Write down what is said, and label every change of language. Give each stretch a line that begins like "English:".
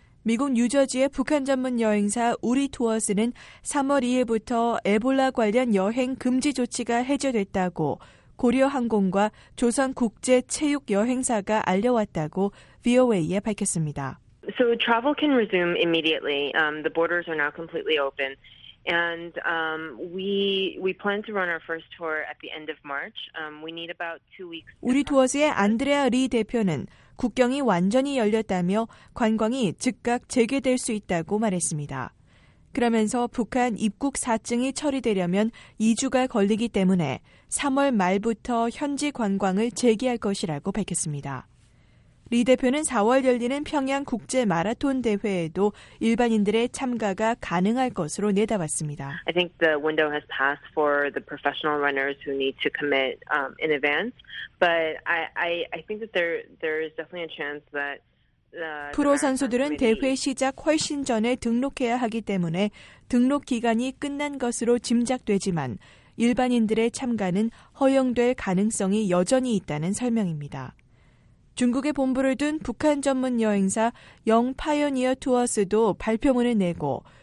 Korean: 미국 뉴저지의 북한 전문 여행사 우리 투어스는 3월 2일부터 에볼라 관련 여행 금지 조치가 해제됐다고 고려항공과 조선국제체육여행사가 알려왔다고 VOA에 밝혔습니다.
English: So travel can resume immediately. The borders are now completely open. And we plan to run our first tour at the end of March. We need about 2 weeks.
Korean: 우리 투어스의 안드레아 리 대표는 국경이 완전히 열렸다며 관광이 즉각 재개될 수 있다고 말했습니다. 그러면서 북한 입국 사증이 처리되려면 2주가 걸리기 때문에 3월 말부터 현지 관광을 재개할 것이라고 밝혔습니다. 리 대표는 4월 열리는 평양 국제 마라톤 대회에도 일반인들의 참가가 가능할 것으로 내다봤습니다.
English: I think the window has passed for the professional runners who need to commit in advance, but I think that there is definitely a chance that
Korean: 프로 선수들은 대회 시작 훨씬 전에 등록해야 하기 때문에 등록 기간이 끝난 것으로 짐작되지만 일반인들의 참가는 허용될 가능성이 여전히 있다는 설명입니다. 중국의 본부를 둔 북한 전문 여행사 영 파이오니어 투어스도 발표문을 내고